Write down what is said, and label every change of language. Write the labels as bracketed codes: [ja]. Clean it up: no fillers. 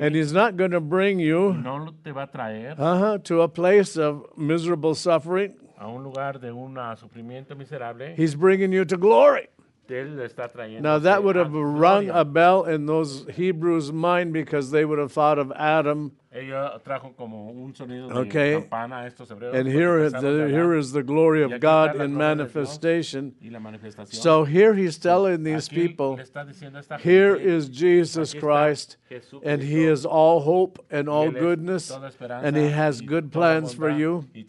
[en] And he's not going to bring you [es] no te va a traer. [en] To a place of miserable suffering. [es] A un lugar de un sufrimiento miserable. [en] He's bringing you to glory. [es] Él está trayendo. [en] Now that would have rung a bell in those Hebrews' mind because they would have thought of Adam. [es] Ella trajo como un sonido de campana a estos hebreos. [en] And here is the glory of God in manifestation. [es] Y la manifestación. [en] So here he's telling these people, here is Jesus Christ, and he is all hope and all goodness, and he has good plans for you.